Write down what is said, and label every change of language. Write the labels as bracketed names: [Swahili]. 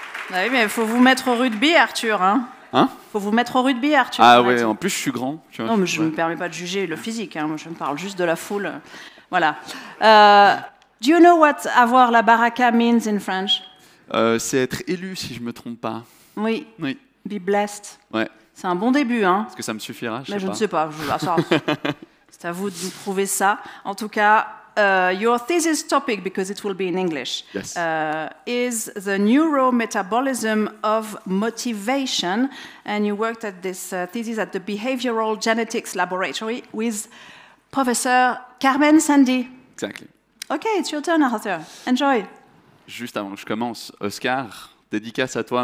[French] Oui, mais il faut vous mettre au rugby, Arthur. Hein, hein? Faut vous mettre au rugby, Arthur. Ah oui, en plus je suis grand. Tu vois, non, mais je ne me permets pas de juger le physique. Hein, moi, je me parle juste de la foule. Voilà. [English] Do you know what [French] avoir la baraka [English] means in French? [French] C'est être élu, si je ne me trompe pas. Oui. Oui. [English] Be blessed. [French] Ouais. C'est un bon début, hein. Est-ce que ça me suffira? Mais je ne sais pas. C'est à vous de nous prouver ça. En tout cas. [English] Your thesis topic, because it will be in English, is the neurometabolism of motivation. And you worked at this thesis at the Behavioral Genetics Laboratory with Professor Carmen Sandy. Exactly. Okay, it's your turn, Arthur. Enjoy. [French] Juste avant que je commence, Oscar, dédicace à toi.